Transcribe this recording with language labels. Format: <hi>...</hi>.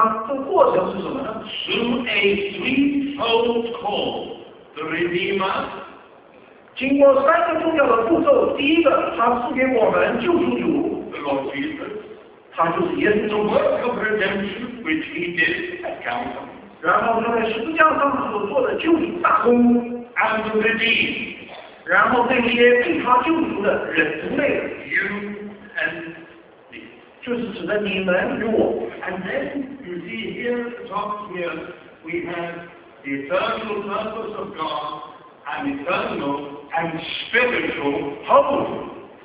<zh>那么神怎么样把我们从圣经的头三章一直带到圣经的最后三章，这过程是什么呢？</zh> <en>Through a threefold call, the Redeemer.</en> <zh>经过三个重要的步骤，第一个，他赐给我们救赎主。</zh> <en>The Lord Jesus, the work of redemption which He did at Calvary, and to redeem,</en> <zh>然后那些被他救赎的人类,</zh> <en>you and me,</en> <zh>就是指的你们与我,</zh> <en>and then you see here at the top here, we have the eternal purpose of God, and eternal and spiritual power.</en>